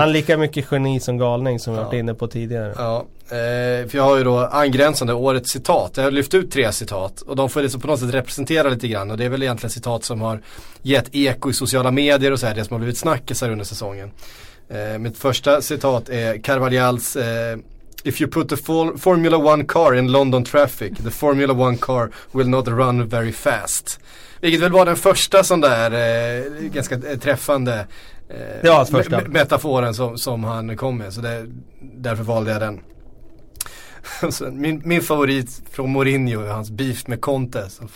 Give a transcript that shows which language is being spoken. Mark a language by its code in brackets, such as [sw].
[sv] Han är lika mycket geni som galning, som vi varit inne på tidigare. Ja, för jag har ju då angränsande årets citat. Jag har lyft ut 3 citat och de får liksom på något sätt representera lite grann. Och det är väl egentligen citat som har gett eko i sociala medier och så här, det som har blivit snackis här under säsongen. Mitt första citat är Carvalhals... [en] If you put the Formula One car in London traffic, the Formula One car will not run very fast. [sv] Vilket väl var den första sån där ganska träffande metaforen som han kom med. Så därför valde jag den. Min favorit från Mourinho är hans beef med Conte.